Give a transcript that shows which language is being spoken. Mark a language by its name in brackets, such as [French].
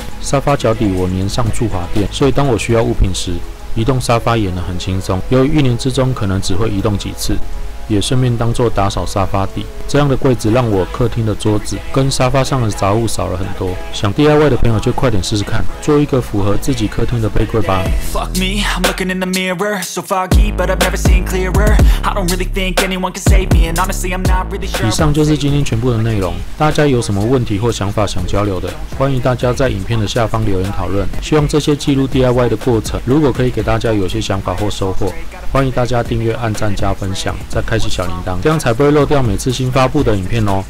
[Chinese] 沙发脚底我粘上驻滑垫，所以当我需要物品时，移动沙发也能很轻松。由于一年之中可能只会移动几次，也顺便当作打扫沙发底。这样的柜子让我客厅的桌子跟沙发上的杂物少了很多。想 DIY 的朋友就快点试试看，做一个符合自己客厅的背柜吧。 [English] Fuck me, I'm looking in the mirror, so foggy, but I've never seen clearer. I don't really think anyone can save me, and honestly, I'm not really sure. [Chinese] 以上就是今天全部的内容。大家有什么问题或想法想交流的，欢迎大家在影片的下方留言讨论。希望这些记录 DIY 的过程，如果可以给大家有些想法或收获，欢迎大家订阅、按赞、加分享，再开启小铃铛，这样才不会漏掉每次新发布的影片哦。